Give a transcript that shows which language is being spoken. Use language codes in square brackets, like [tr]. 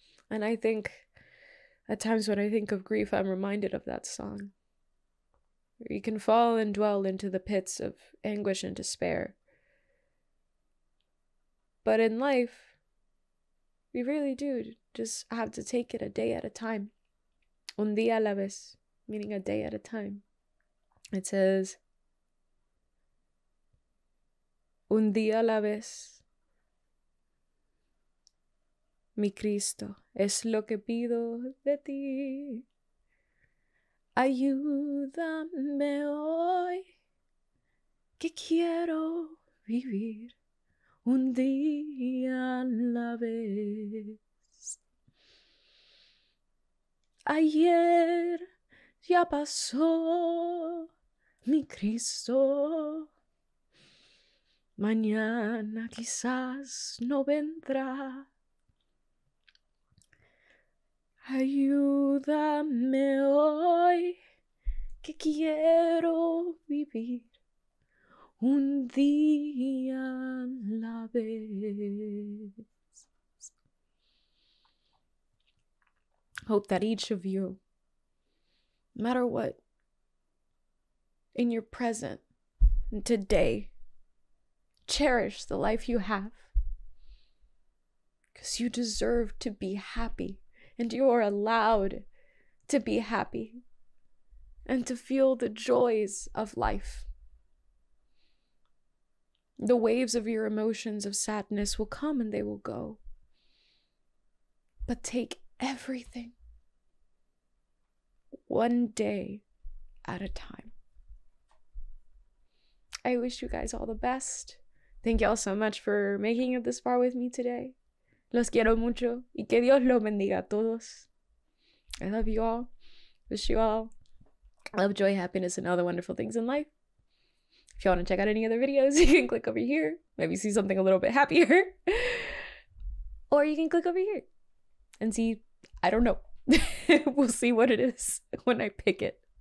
[en] And I think at times when I think of grief, I'm reminded of that song. You can fall and dwell into the pits of anguish and despair. But in life, we really do just have to take it a day at a time. [es] Un día a la vez, [en] meaning a day at a time. It says, [es] Un día a la vez, mi Cristo, es lo que pido de ti. Ayúdame hoy, que quiero vivir un día a la vez. Ayer ya pasó, mi Cristo. Mañana quizás no vendrá. Ayúdame hoy, que quiero vivir un día a la vez. [en] Hope that each of you, no matter what, in your present and today, cherish the life you have, because you deserve to be happy. And you are allowed to be happy and to feel the joys of life. The waves of your emotions of sadness will come and they will go. But take everything one day at a time. I wish you guys all the best. Thank y'all so much for making it this far with me today. [es] Los quiero mucho y que Dios lo bendiga a todos. [en] I love you all. Wish you all love, joy, happiness, and other wonderful things in life. If you want to check out any other videos, you can click over here. Maybe see something a little bit happier. Or you can click over here and see, I don't know. We'll see what it is when I pick it.